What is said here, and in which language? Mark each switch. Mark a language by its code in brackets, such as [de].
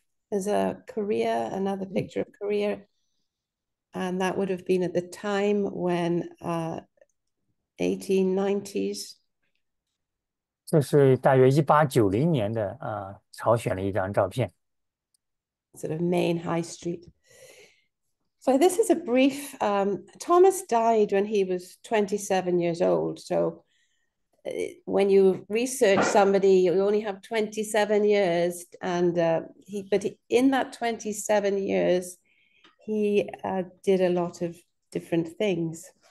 [en] There's a Korea, another picture of Korea, and that would have been at the time when 1890s. [zh] 这是大约1890年的朝鲜的一张照片。 [en] Sort of main high street. So this is a brief, Thomas died when he was 27 years old. So when you research somebody, you only have 27 years, but in that 27 years, he did a lot of different things.